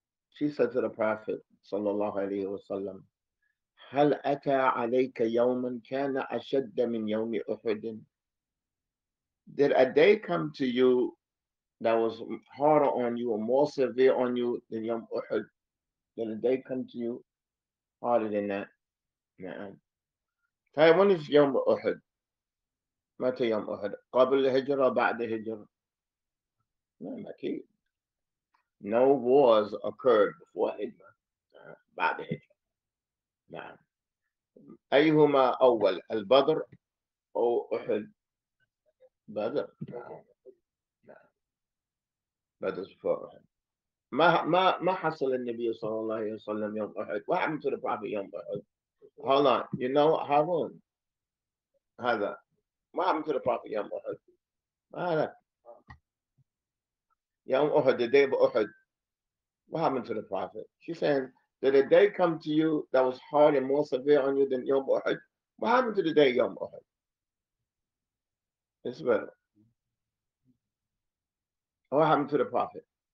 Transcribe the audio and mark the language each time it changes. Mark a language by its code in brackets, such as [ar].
[en] She said to the Prophet صلى الله عليه وسلم, [ar] هل أتى عليك يوما كان أشد من يوم أحد؟ [en] Did a day come to you that was harder on you or more severe on you than يوم أحد? Did a day come to you harder than that? [ar] نعم. طيب [en] when is [ar] يوم أحد؟ متى يوم أحد؟ قبل الهجرة بعد الهجرة؟ نعم أكيد. [en] No wars occurred before Hijra. [ar] بعد الهجرة. نعم. أيهما أول؟ البدر أو أحد؟ بدر. نعم. بدر [en] before [ar] أحد. ما حصل النبي صلى الله عليه وسلم يوم أحد؟ [en] What happened to the Prophet [ar] يوم أحد؟ [en] Hold on. You know Harun. هذا. [ar] ما [en] happened to the Prophet [ar] يوم أحد؟ ما هذا؟ يوم أحد. [en] The day of أحد. What happened to the Prophet? She said, did a day come to you that was hard and more severe on you than يوم أحد? What happened to the day يوم أحد? It's better. What happened to the Prophet?